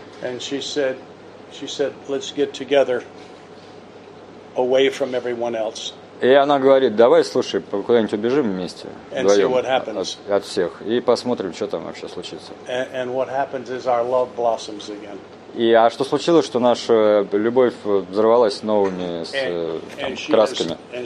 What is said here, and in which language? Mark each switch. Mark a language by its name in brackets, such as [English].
[English] And she said, let's get together away from everyone else. [Russian] И она говорит: "Давай, слушай, куда-нибудь убежим вместе вдвоем от всех и посмотрим, что там вообще случится". [English] And what happens is our love blossoms again. [Russian] И а что случилось, что наша любовь взорвалась новыми красками?